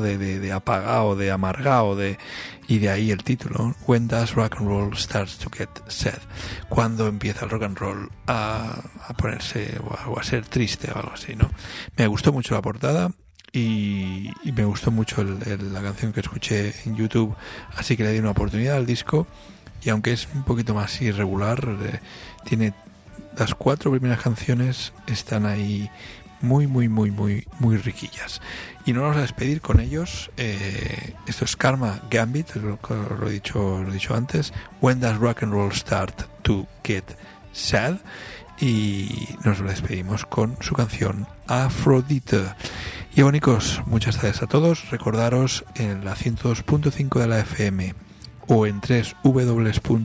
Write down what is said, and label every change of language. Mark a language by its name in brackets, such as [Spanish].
[Spanish] De apagado, de amargado, y de ahí el título, ¿no? [English] When does rock and roll start to get sad? [Spanish] Cuando empieza el rock and roll a ponerse o a ser triste o algo así, ¿no? Me gustó mucho la portada. Y me gustó mucho la canción que escuché en YouTube, así que le di una oportunidad al disco. Y aunque es un poquito más irregular, tiene las 4 primeras canciones, están ahí muy, muy, muy, muy, muy riquillas. Y nos vamos a despedir con ellos. Esto es Karma Gambit, lo he dicho antes. [English] When does rock and roll start to get sad? [Spanish] Y nos despedimos con su canción Aphrodite. Y abonicos, muchas gracias a todos. Recordaros en la 102.5 de la FM o en www.upv/RTV.